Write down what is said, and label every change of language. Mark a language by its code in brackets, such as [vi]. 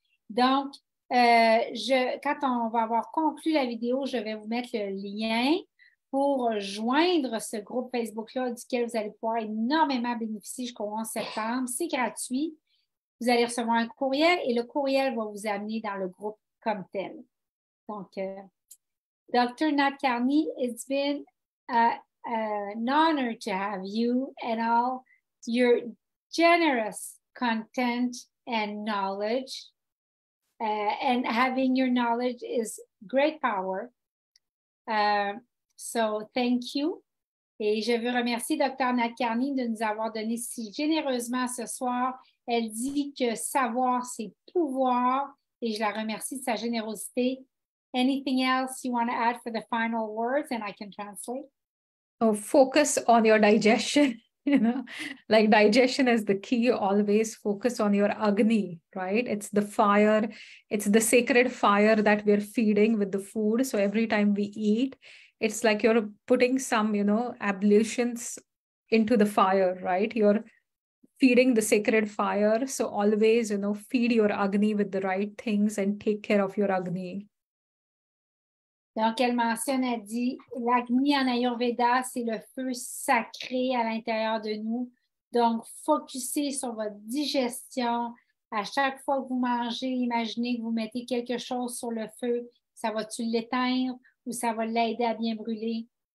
[fr] Donc, quand on va avoir conclu la vidéo, je vais vous mettre le lien pour joindre ce groupe Facebook-là duquel vous allez pouvoir énormément bénéficier jusqu'au 11 septembre. C'est gratuit. Vous allez recevoir un courriel et le courriel va vous amener dans le groupe comme tel. Donc, Dr. [en] Nadkarni, it's been an honor to have you and all your generous content and knowledge. And having your knowledge is great power. So thank you. [fr] Et je veux remercier Dr. Nadkarni de nous avoir donné si généreusement ce soir. Elle dit que savoir, c'est pouvoir. Et je la remercie de sa générosité. [en] Anything else you want to add for the final words and I can translate? Oh, focus on your digestion. You know, like digestion is the key. Always focus on your agni, right? It's the fire. It's the sacred fire that we're feeding with the food. So every time we eat, it's like you're putting some, you know, ablutions into the fire, right? You're feeding the sacred fire. So always, you know, feed your agni with the right things and take care of your agni. [fr] Donc, elle mentionne, elle dit, l'agni en Ayurveda, c'est le feu sacré à l'intérieur de nous. Donc, focussez sur votre digestion. À chaque fois que vous mangez, imaginez que vous mettez quelque chose sur le feu. Ça va-tu l'éteindre ou ça va l'aider à bien brûler?